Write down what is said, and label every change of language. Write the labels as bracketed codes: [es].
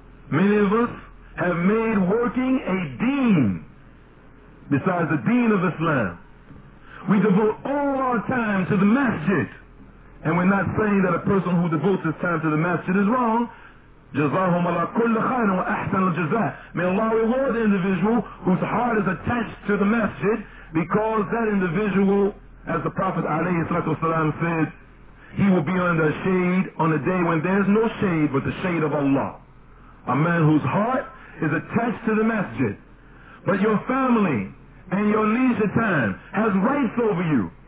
[en] Many of us have made working a deen, besides the deen of Islam. We devote all our time to the masjid. And we're not saying that a person who devotes his time to the masjid is wrong. [ar] جزاهم الله كل خير وأحسن الجزاء. [en] May Allah reward the individual whose heart is attached to the masjid, because that individual, as the Prophet alayhi salatu wasalam said, he will be under shade on a day when there is no shade but the shade of Allah. A man whose heart is attached to the masjid. But your family and your leisure time has rights over you.